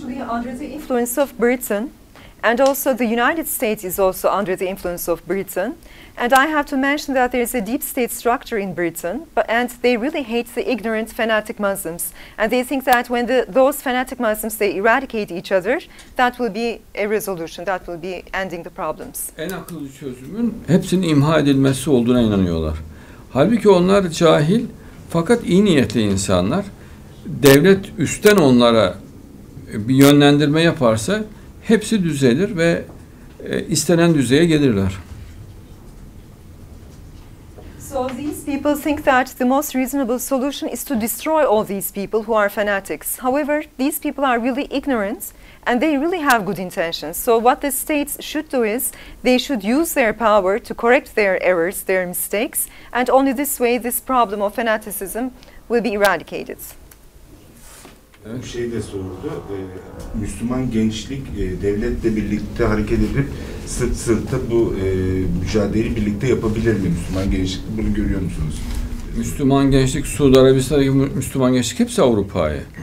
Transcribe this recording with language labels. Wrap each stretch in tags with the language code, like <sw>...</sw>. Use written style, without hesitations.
<en>under the influence of Britain, and also the United States is also under the influence of Britain. And I have to mention that there is a deep state structure in Britain, but, and they really hate the ignorant fanatic Muslims. And they think that when those fanatic Muslims, they eradicate each other, that will be a resolution, that will be ending the problems.</en> <tr>En akıllı çözümün hepsinin imha edilmesi olduğuna inanıyorlar. Halbuki onlar cahil, fakat iyi niyetli insanlar. Devlet üstten onlara bir yönlendirme yaparsa, hepsi düzelir ve istenen düzeye gelirler.</tr> <en>So these people think that the most reasonable solution is to destroy all these people who are fanatics. However, these people are really ignorant and they really have good intentions. So what the states should do is they should use their power to correct their errors, their mistakes, and only this way this problem of fanaticism will be eradicated.</en> <tr>Bu şey de sordu. Müslüman gençlik devletle birlikte hareket edip sırt sırta bu mücadeleyi birlikte yapabilir mi Müslüman gençlik? Bunu görüyor musunuz? Müslüman gençlik, Suudi Arabistan'daki Müslüman gençlik hepsi Avrupa'yı.</tr>